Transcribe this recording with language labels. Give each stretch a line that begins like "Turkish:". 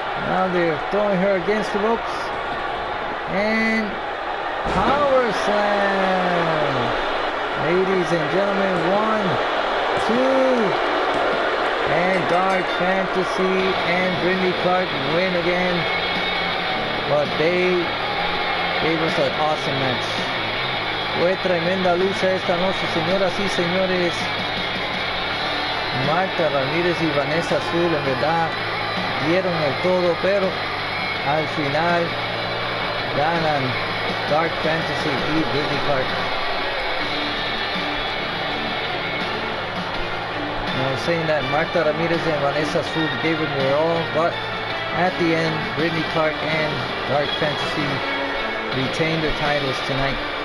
English: Now they're throwing her against the ropes. And power slam. Ladies and gentlemen, one, two. And Dark Fantasy and Brittany Clark win again. But they gave us an awesome match.
Spanish: Fue tremenda lucha esta noche, señoras y señores. Marta Ramírez y Vanessa Azul, en verdad, dieron el todo, pero al final ganan Dark Fantasy y Brittany Clark.
English: I was saying that Marta Ramirez and Vanessa Azul gave it their all, but at the end, Brittany Clark and Dark Fantasy retained their titles tonight.